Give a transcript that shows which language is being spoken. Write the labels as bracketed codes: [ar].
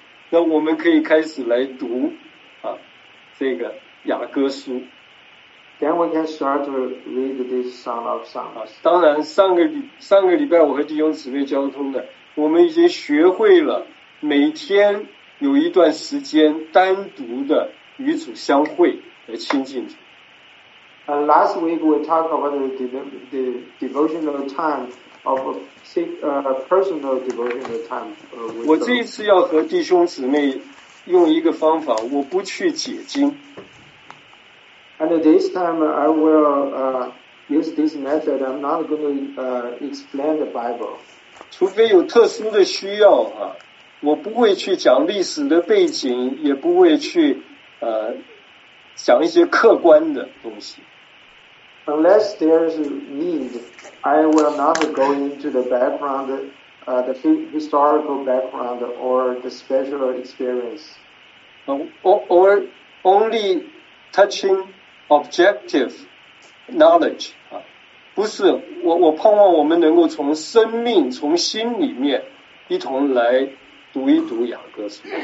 [zh] 那我们可以开始来读啊，这个雅歌书。 [en] Then we can start to read this Song of Songs. [zh] 啊，当然上个礼拜我和弟兄姊妹交通的。我们已经学会了每天有一段时间单独的与主相会来亲近主。 [en] And last week we talked about the devotional time of personal devotional time. [zh] 我这一次要和弟兄姊妹用一个方法，我不去解经。 [en] And this time I will use this method. I'm not going to explain the Bible. [zh] 除非有特殊的需要啊，我不会去讲历史的背景，也不会去讲一些客观的东西。 [en] Unless there's need, I will not go into the background, the historical background or the special experience. Or only touching objective knowledge. [zh] 不是我盼望我们能够从生命从心里面一同来读一读雅歌书。